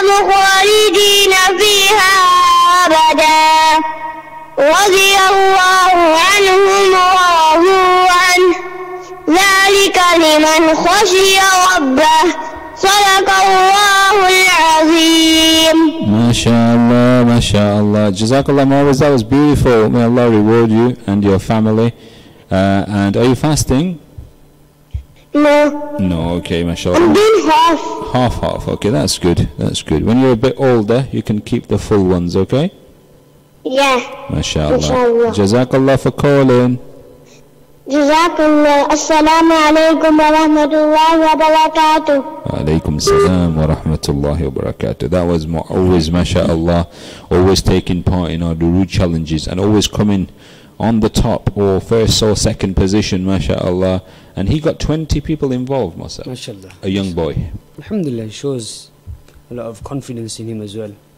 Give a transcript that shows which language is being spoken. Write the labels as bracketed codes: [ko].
[ar] خالدين فيها أبدا رضي الله عنهم ورضوا عنه ذلك لمن خشي ربه صدق الله العظيم. ما شاء الله جزاكallah Mawiz, that was beautiful. May Allah reward you and your family. [en] And are you fasting? No. Okay, mashallah. I'm doing half. Half, okay, that's good. When you're a bit older, you can keep the full ones, okay? Yeah. Mashallah. Jazakallah for calling. [ar] جزاك الله. السلام عليكم ورحمة الله وبركاته. عليكم السلام ورحمة الله وبركاته. [en] That was always, mashallah, always taking part in our durood challenges and always coming on the top or first or second position, mashallah. And he got 20 people involved, Masa. Mashallah. A young boy. Alhamdulillah, it shows a lot of confidence in him as well.